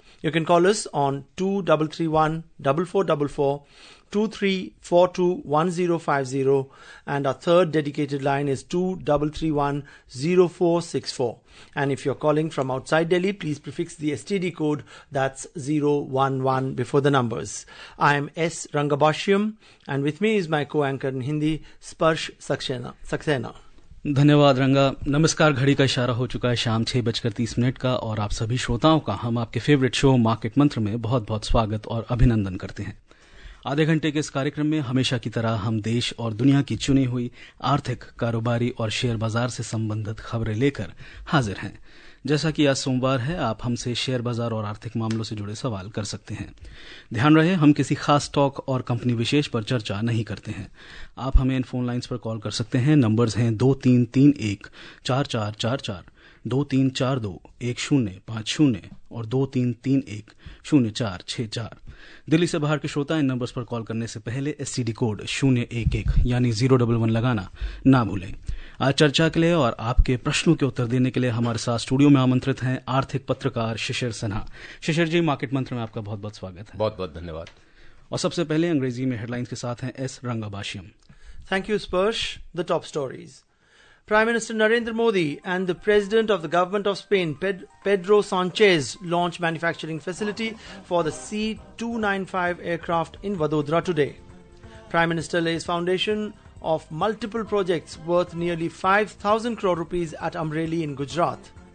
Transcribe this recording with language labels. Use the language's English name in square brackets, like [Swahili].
[English] You can call us on 2331-4444-2342-1050, and our third dedicated line is 2331-0464. And if you're calling from outside Delhi, please prefix the STD code, that's 011 before the numbers. I am S. Rangabashyam, and with me is my co-anchor in Hindi, Sparsh Saxena. [Hindi] धन्यवाद रंगा. नमस्कार. घड़ी का इशारा हो चुका है शाम 6:30 का, और आप सभी श्रोताओं का हम आपके फेवरेट शो मार्केट मंत्र में बहुत बहुत स्वागत और अभिनंदन करते हैं. आधे घंटे के इस कार्यक्रम में हमेशा की तरह हम देश और दुनिया की चुनी हुई आर्थिक, कारोबारी और शेयर बाजार से संबंधित खबरें लेकर हाजिर हैं. जैसा कि आज सोमवार है, आप हमसे शेयर बाजार और आर्थिक मामलों से जुड़े सवाल कर सकते हैं. ध्यान रहे, हम किसी खास स्टॉक और कंपनी विशेष पर चर्चा नहीं करते हैं. आप हमें इन फोन लाइंस पर कॉल कर सकते हैं. नंबर्स हैं 2331-4444, 2342-1050 और 2331-0464. दिल्ली से बाहर के श्रोता इन नंबर्स पर कॉल करने से पहले एसटीडी कोड 011 यानी 011 लगाना ना भूलें. आज चर्चा के लिए और आपके प्रश्नों के उत्तर देने के लिए हमारे साथ स्टूडियो में आमंत्रित हैं आर्थिक पत्रकार शिशिर सिन्हा. शिशिर जी, मार्केट मंत्र में आपका बहुत बहुत स्वागत है. बहुत बहुत धन्यवाद. और सबसे पहले अंग्रेजी में हेडलाइंस के साथ हैं एस रंगाबाशियम. [English] Thank you Sparsh. The top stories. Prime Minister Narendra Modi and the President of the Government of Spain, Pedro Sanchez, launch manufacturing facility for the C-295 aircraft in Vadodara today. Prime Minister lays foundation of multiple projects worth nearly 5,000 crore rupees at Amreli in Gujarat.